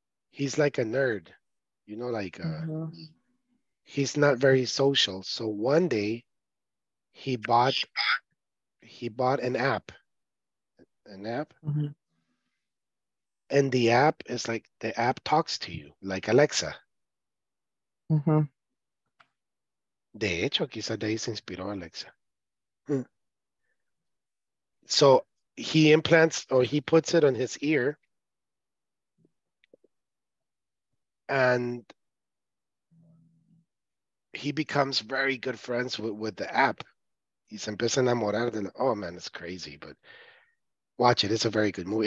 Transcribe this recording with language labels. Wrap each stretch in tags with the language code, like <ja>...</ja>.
<en>He's like a nerd, you know, like he's not very social. So one day he bought an app. Mm-hmm. And the app is like, the app talks to you like Alexa. Mm-hmm.</en> <es>De hecho, quizá de ahí se inspiró Alexa.</es> <en>So he implants, or he puts it on his ear, and he becomes very good friends with the app.</en> <es>Y se empieza a enamorar de,</es> <en>oh man, it's crazy, but watch it. It's a very good movie.</en>